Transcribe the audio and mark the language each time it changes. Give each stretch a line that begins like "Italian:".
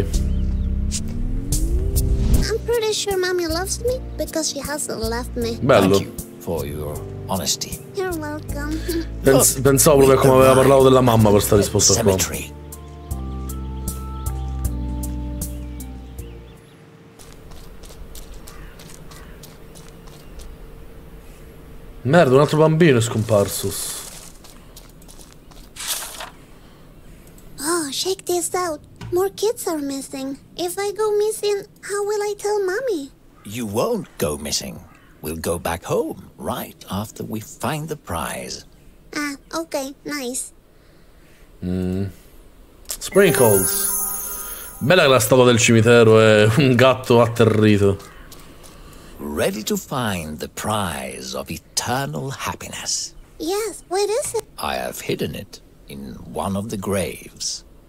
English: I'm pretty sure mommy loves me because she hasn't left me.
Italian: Bello.
English: For your honesty. You're welcome.
Italian: Pensavo proprio come aveva parlato della mamma per sta risposta qua. Merda, un altro bambino è scomparso.
English: Oh, check this out. More kids are missing. If I go missing, how will I tell mommy? You won't go missing. We'll go back home right after we find the prize. Ah, okay, nice. Sprinkles.
Italian: Bella che la statua del cimitero è un gatto atterrito.
English: Ready to find the prize of eternal happiness. Yes, what is it? I have hidden it in one of the graves.